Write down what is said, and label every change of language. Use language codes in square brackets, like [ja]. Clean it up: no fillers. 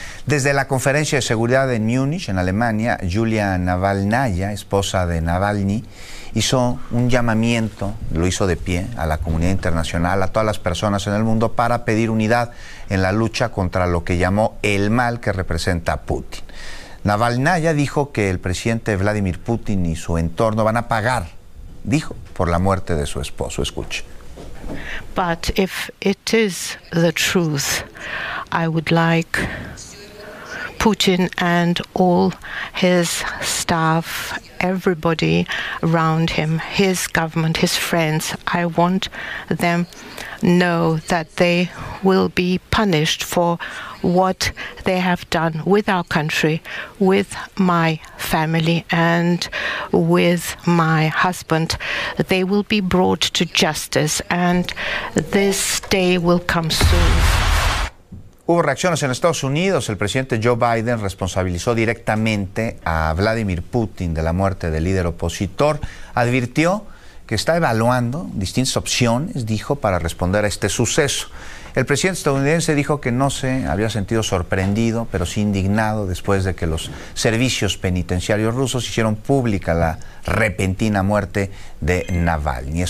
[es] Desde la conferencia de seguridad en Múnich, en Alemania, Yulia Navalnaya, esposa de Navalny, hizo un llamamiento, lo hizo de pie, a la comunidad internacional, a todas las personas en el mundo, para pedir unidad en la lucha contra lo que llamó el mal que representa a Putin. Navalnaya dijo que el presidente Vladimir Putin y su entorno van a pagar, dijo, por la muerte de su esposo. Escuche. [en] But if it is the truth, I would like Putin and all his staff, everybody around him, his government, his friends, I want them know that they will be punished for what they have done with our country, with my family, and with my husband. They will be brought to justice, and this day will come soon. [es] Hubo reacciones en Estados Unidos. El presidente Joe Biden responsabilizó directamente a Vladimir Putin de la muerte del líder opositor. Advirtió que está evaluando distintas opciones, dijo, para responder a este suceso. El presidente estadounidense dijo que no se había sentido sorprendido, pero sí indignado después de que los servicios penitenciarios rusos hicieron pública la repentina muerte de Navalny.